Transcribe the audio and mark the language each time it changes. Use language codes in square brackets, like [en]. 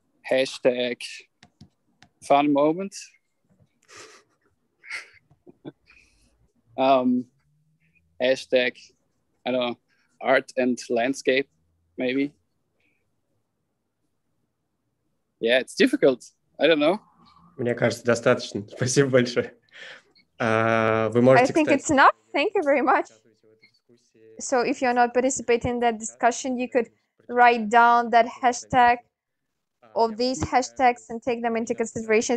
[en] Hashtag fun moment. Hashtag, I don't know, art and landscape, maybe. Yeah, it's difficult. I don't know. [ru] Мне кажется, достаточно. Спасибо большое. Вы можете, [en] I think, кстати, it's enough. Thank you very much. So if you're not participating in that discussion, you could write down that hashtag or these hashtags and take them into consideration.